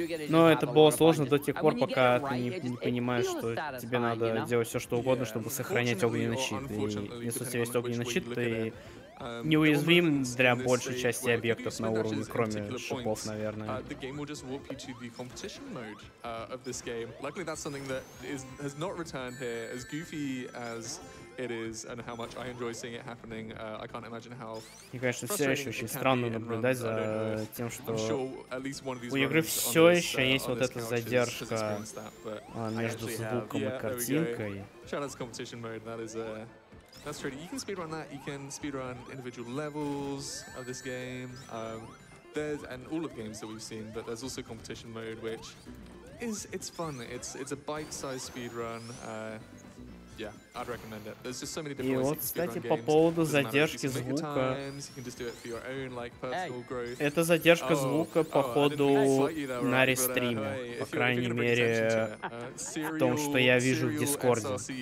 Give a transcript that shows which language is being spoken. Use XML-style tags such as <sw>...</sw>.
<ru>Но это было сложно до тех пор, пока ты не понимаешь, что тебе надо делать все, что угодно, чтобы сохранять огненный щит. И если у тебя есть огненный щит, ты неуязвим для большей части объектов на уровне, кроме шипов, наверное.</ru> <en>The game will just warp you to the competition mode of this game. Luckily, that's something that has not returned here. As goofy as it is and how much I enjoy seeing it happening, I can't imagine how frustrating it can be.</en> <ru>Конечно, все еще очень странно наблюдать за тем, что у игры все еще есть вот эта задержка между звуком и картинкой.</ru> <en>Shout out to competition mode. That is a That's true. You can speedrun that. You can speedrun individual levels of this game. There's and all of the games that we've seen, but there's also competition mode, which is it's fun. It's a bite-sized speedrun. Yeah, I'd recommend it. There's just so many different ways to speedrun games.</en> <ru>И вот, кстати, по поводу задержки звука.</ru> <en>You can just do it for your own like personal growth.</en> <ru>Это задержка звука по ходу на рестриме, по крайней мере, в том, что я вижу в Дискорде.</ru>